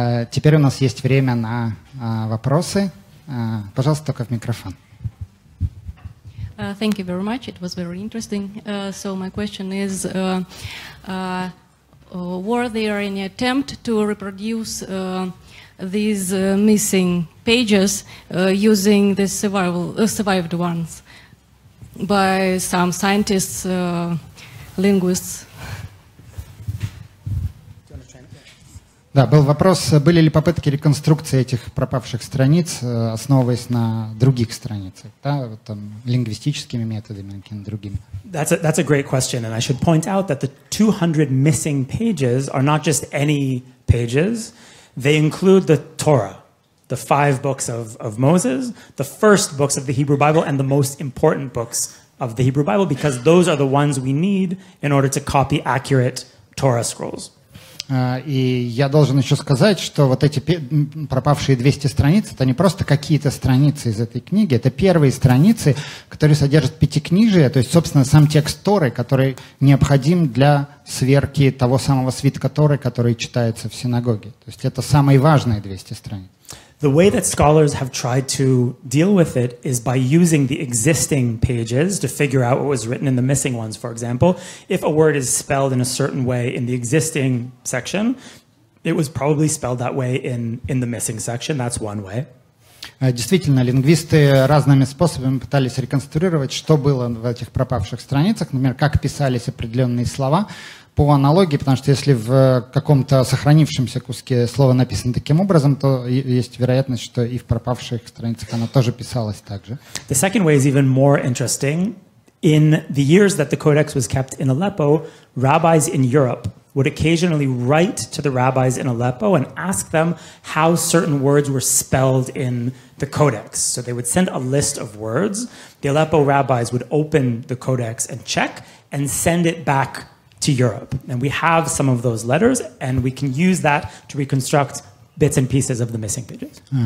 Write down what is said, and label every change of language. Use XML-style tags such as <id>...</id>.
<ru>Теперь у нас есть время на вопросы. Пожалуйста, только в микрофон.</ru> <en>Thank you very much. It was very interesting. So my question is, were there any attempt to reproduce these missing pages using the survived ones by some scientists, linguists?</en> <ru>Да, был вопрос, были ли попытки реконструкции этих пропавших страниц, основываясь на других страницах, да, вот там, лингвистическими методами, какими-то другими.</ru> <en>That's a great question, and I should point out that the 200 missing pages are not just any pages, they include the Torah, the five books of Moses, the first books of the Hebrew Bible, and the most important books of the Hebrew Bible, because those are the ones we need in order to copy accurate Torah scrolls.</en> <ru>И я должен еще сказать, что вот эти пропавшие 200 страниц, это не просто какие-то страницы из этой книги, это первые страницы, которые содержат пятикнижие, то есть, собственно, сам текст Торы, который необходим для сверки того самого свитка Торы, который читается в синагоге. То есть это самые важные 200 страниц.</ru> <en>The way that scholars have tried to deal with it is by using the existing pages to figure out what was written in the missing ones, for example. If a word is spelled in a certain way in the existing section, it was probably spelled that way in the missing section. That's one way.</en> <ru>Действительно, лингвисты разными способами пытались реконструировать, что было в этих пропавших страницах, например, как писались определенные слова. По аналогии, потому что если в каком-то сохранившемся куске слово написано таким образом, то есть вероятность, что и в пропавших страницах оно тоже писалось так же.</ru> <en>The second way is even more interesting. In the years that the Codex was kept in Aleppo, rabbis in Europe would occasionally write to the rabbis in Aleppo and ask them how certain words were spelled in the Codex. So they would send a list of words. The Aleppo rabbis would open the Codex and check and send it back to Europe, and we have some of those letters, and we can use that to reconstruct bits and pieces of the missing pages.</en>